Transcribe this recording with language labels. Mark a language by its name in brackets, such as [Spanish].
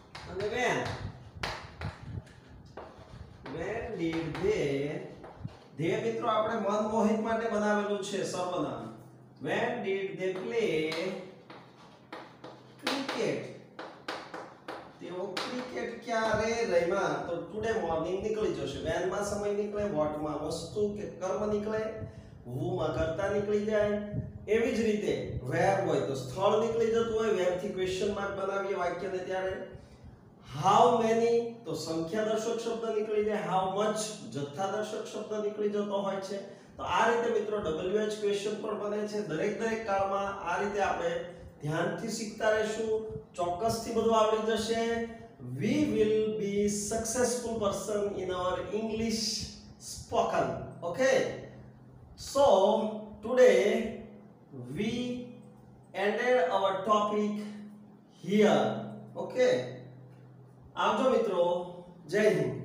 [English] And when did they [Gujarati] મિત્રો આપણે મન મોહિત માટે બનાવેલું છે સર્વનામ. [English] When did they play cricket? [Gujarati] તેઓ ક્રિકેટ ક્યારે રમ્યા? તો [English] today morning [Gujarati] નીકળી જશે. વેન માં સમય નીકળે, વોટ માં વસ્તુ કે કર્મ નીકળે, હુ માં કર્તા નીકળી જાય. એવી જ રીતે વેર હોય તો સ્થળ નીકળી જતું હોય, વેર થી ક્વેશ્ચન માર્ક બનાવીએ વાક્યને ત્યારે. હાઉ મેની તો સંખ્યા દર્શક શબ્દ નીકળી જાય, હાઉ મચ જથ્થા દર્શક શબ્દ નીકળી જતો હોય છે. તો આ રીતે મિત્રો WH ક્વેશ્ચન પણ બને છે. દરેક કાળમાં આ રીતે આપણે ધ્યાનથી શીખતા રહેશું, ચોક્કસથી બધું આવડી જશે. [English] We will be successful person in our English spoken. Okay? So, today we ended our topic here. Okay? [Gujarati] આવજો મિત્રો, જય હિંદ.